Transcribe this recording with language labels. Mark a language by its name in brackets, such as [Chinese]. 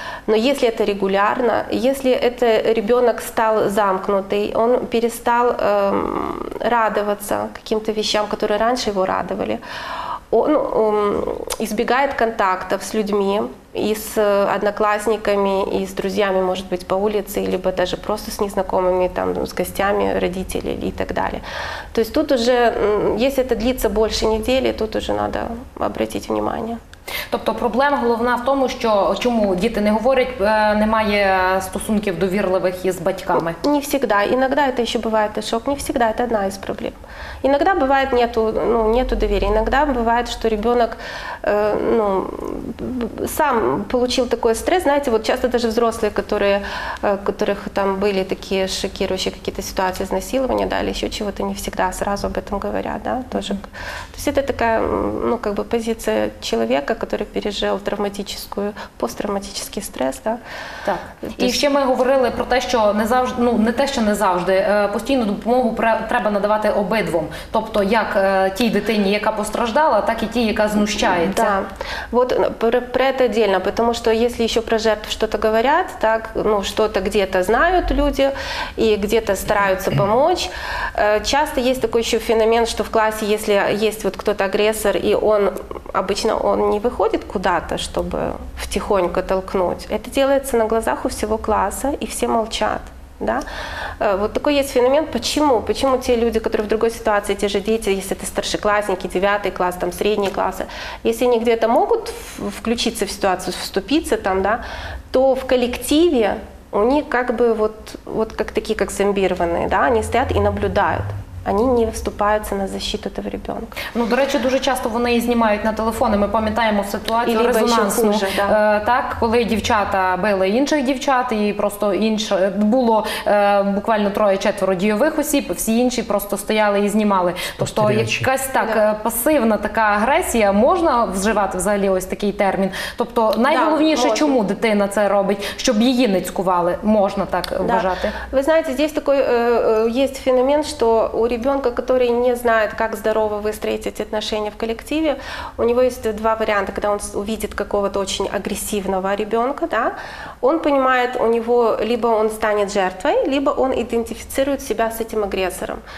[Russian] Но если это регулярно, если это ребенок стал замкнутый, он перестал радоваться каким-то вещам, которые раньше его радовали, он избегает контактов с людьми, и с одноклассниками, и с друзьями, может быть, по улице, либо даже просто с незнакомыми, там, с гостями родителей и так далее. То есть тут уже, если это длится больше недели, тут уже надо обратить внимание. [Ukrainian] Тобто проблема головна в тому, що чому діти не говорять, немає стосунків довірливих із батьками? Не завжди. Іноді це ще буває шок. Не завжди. Це одна із проблем. Іноді буває, нету, ну, нету довіри. Іноді буває, що ребенок, ну, сам получив такий стрес. Знаєте, от часто навіть взрослі, [Russian] которых там [Ukrainian] були такі шокіруючі якісь ситуації знасилування, да, чи ще чого-то, не завжди одразу [Russian] об этом [Ukrainian] говорять. [Russian] Да, тоже. То есть это такая, ну, как бы позиция человека, который [Ukrainian] пережив травматичний, посттравматичний стрес. [Russian] Да? [Ukrainian] Так. І ще ми говорили про те, що не завжди, ну, не те, що не завжди, постійну допомогу треба надавати обидвом. Тобто, як тій дитині, яка постраждала, так і тій, яка знущається. [Russian] Да. Вот [Ukrainian] про це [Russian] отдельно, [Ukrainian] тому що якщо ще про жертв щось говорять, так, ну, щось где-то знають люди і где-то стараються допомогти. Часто є такий ще феномен, що в класі, якщо є вот хтось агресор, і він, [Russian] обычно, он не выходит куда-то, чтобы втихонько толкнуть. Это делается на глазах у всего класса, и все молчат. Да? Вот такой есть феномен. Почему? Почему те люди, которые в другой ситуации, те же дети, если это старшеклассники, 9 класс, там, средние классы, если они где-то могут включиться в ситуацию, вступиться там, да, то в коллективе у них как бы вот, вот как такие, как зомбированные, да, они стоят и наблюдают. [Ukrainian] Вони не вступаються [Russian] на защиту того ребенка. [Ukrainian] Ну, до речі, дуже часто вони знімають на телефони. Ми пам'ятаємо ситуацію [Russian] Или [Ukrainian] резонансну. [Russian] Хуже, да. [Ukrainian] Так, коли дівчата били інших дівчат, і просто інше було буквально троє-четверо дійових осіб, всі інші просто стояли і знімали. Тобто якась так пасивна така агресія, можна вживати взагалі ось такий термін. Тобто найголовніше, да, чому дитина це робить, щоб її не цькували, можна так, да, вважати. Ви знаєте, [Russian] здесь такой есть феномен, что у ребенка, который не знает, как здорово выстроить эти отношения в коллективе, у него есть два варианта. Когда он увидит какого-то очень агрессивного ребенка, да, он понимает, у него либо он станет жертвой, либо он идентифицирует себя с этим агрессором.